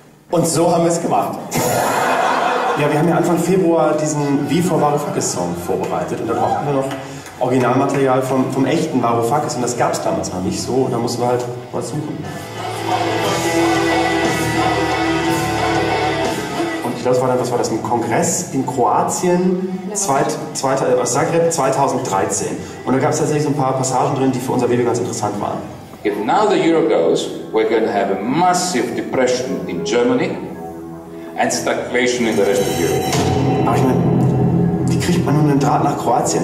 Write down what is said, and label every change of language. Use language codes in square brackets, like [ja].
[de] Und so haben wir es gemacht. Ja, wir haben ja Anfang Februar diesen Wie vor Varoufakis Song vorbereitet und da brauchten wir noch Originalmaterial vom echten Varoufakis und das gab es damals noch nicht so und da mussten wir halt was suchen. Und das war dann, was war das, ein Kongress in Kroatien, Zagreb 2013. Und da gab es tatsächlich so ein paar Passagen drin, die für unser Video ganz interessant waren. [en] If now the euro goes, we're going to have a massive depression in Germany and stagflation in the rest of Europe. [de] Aber ich meine, wie kriegt man nun einen Draht nach Kroatien?